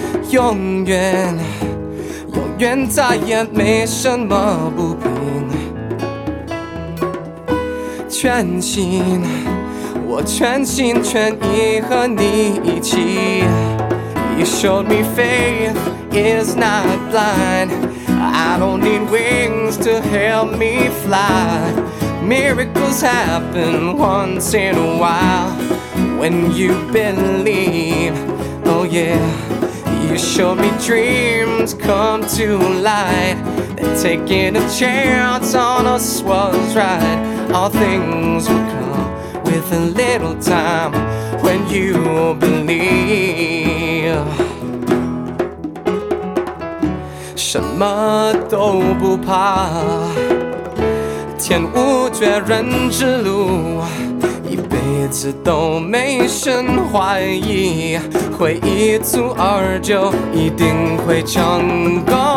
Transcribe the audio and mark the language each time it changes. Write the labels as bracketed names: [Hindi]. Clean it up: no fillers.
[Chinese] 永远永远再也没什么不平，全心我全心全意和你一起。 [English] You showed me faith is not blind, I don't need wings to help me fly, miracles happen once in a while when you believe. Oh yeah. You showed me dreams come to light, that taking a chance on us was right. All things will come with a little time when you believe. [Chinese] 什么都不怕，天无绝人之路，一辈子都没生怀疑，会一蹴而就，一定会成功。